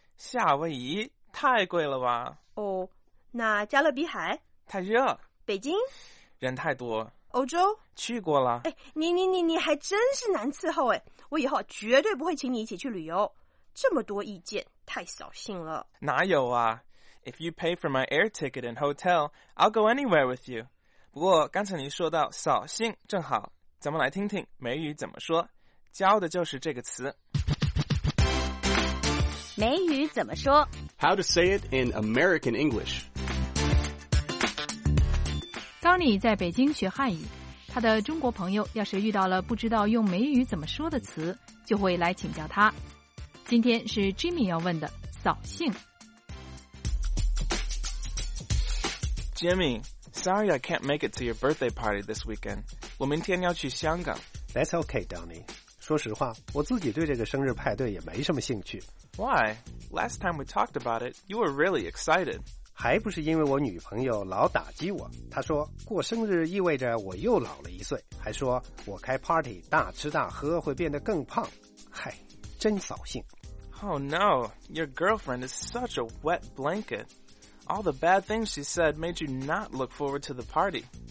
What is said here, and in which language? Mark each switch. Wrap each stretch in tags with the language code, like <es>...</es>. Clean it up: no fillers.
<zh>夏威夷太贵了吧？哦，那加勒比海太热。北京人太多。欧洲去过了。哎，你还真是难伺候哎！我以后绝对不会请你一起去旅游，这么多意见。太扫兴了。哪有啊</zh> <en>？If you pay for my air ticket and hotel, I'll go anywhere with you.</en> <zh>不过刚才你说到扫兴，正好咱们来听听美语怎么说，教的就是这个词。美语怎么说</zh> <en>？How to say it in American English？</en> <zh>高妮在北京学汉语，她的中国朋友要是遇到了不知道用美语怎么说的词，就会来请教她。今天是 Jimmy 要问的扫兴。</zh> <en>Jimmy, sorry I can't make it to your birthday party this weekend.</en> <zh>我明天要去香港。</zh> <en>That's okay, Donnie.</en> <zh>说实话，我自己对这个生日派对也没什么兴趣。</zh> <en>Why? Last time we talked about it, you were really excited.</en> <zh>还不是因为我女朋友老打击我。她说，过生日意味着我又老了一岁，还说我开 party 大吃大喝会变得更胖。嗨。真扫兴。</zh> <en>Oh no, your girlfriend is such a wet blanket. All the bad things she said made you not look forward to the party.</en>